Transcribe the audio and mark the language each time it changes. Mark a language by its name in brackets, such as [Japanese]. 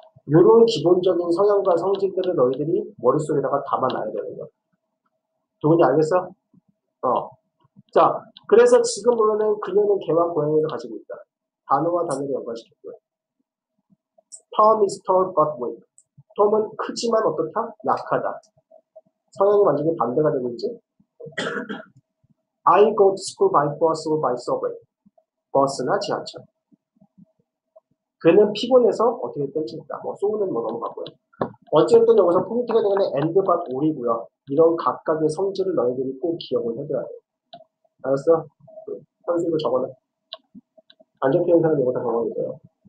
[Korean] 요런 기본적인 성향과 성질들을 너희들이 머릿속에다가 담아놔야 되는 거야. 도훈이 알겠어? 어. 자, 그래서 지금으로는 그녀는 개와 고양이를 가지고 있다. 단어와 단어를 연관시켰고요. [English] Tom is tall but weak. [Korean] Tom은 크지만 어떻다? 약하다. 성향이 완전히 반대가 되고 있지? [English] I go to school by bus or by subway. [Korean] 버스나 지하철. 그는 피곤해서 어떻게 떼친다. 뭐, 소우는 뭐 넘어갔고요. 어쨌든 여기서 포인트가 되는 건 and but or이고요. 이런 각각의 성질을 너희들이 꼭 기억을 해줘야 돼요. 알았어? 현수 이거 적어놔. 안 적혀 있는 사람 이거 다 적어놓으세요.